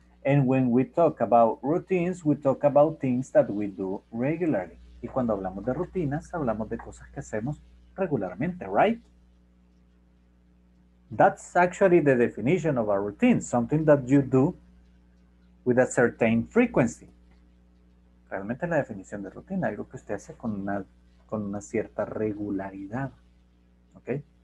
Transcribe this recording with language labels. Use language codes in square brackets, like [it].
[en] And when we talk about routines, we talk about things that we do regularly. [es] Y cuando hablamos de rutinas, hablamos de cosas que hacemos regularmente, right? [en] That's actually the definition of a routine, something that you do with a certain frequency. [es] Realmente la definición de rutina, algo que usted hace con una cierta regularidad, okay?